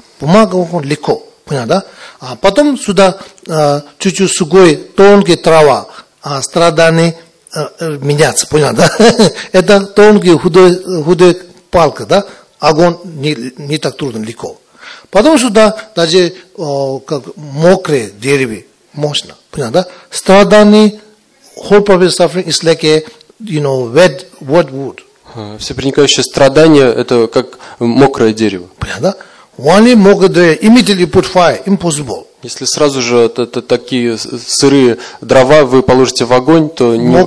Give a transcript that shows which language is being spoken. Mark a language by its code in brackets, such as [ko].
[ru] Бумага, огонь легко. Понятно, да? А потом сюда чуть-чуть сухой, тонкий трава, страдания меняется. Понятно, да? Это тонкий, худой палка, да? Огонь не так трудно, легко. Потом сюда даже как мокрые деревья, можно. Понятно, да? [en] Страдание, whole purpose of suffering is like a, you know, wet wood. [ru] Все проникающее страдание это как мокрое дерево. Понятно, да? [en] Only [ru] мокрое дерево [en] immediately put fire, impossible. [ru] Если сразу же такие сырые дрова вы положите в огонь, то не.